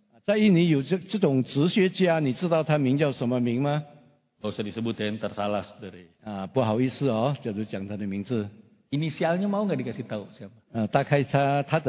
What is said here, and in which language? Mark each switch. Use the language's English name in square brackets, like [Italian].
[Indonesian] Di sini [Chinese] 有这种哲学家，你知道他名叫什么名吗？ [Indonesian] Gak usah disebut ya, ntar salah, saudara. [Chinese] Ah，不好意思哦，假如讲他的名字。 [Indonesian] Inisialnya mau nggak dikasih tahu siapa?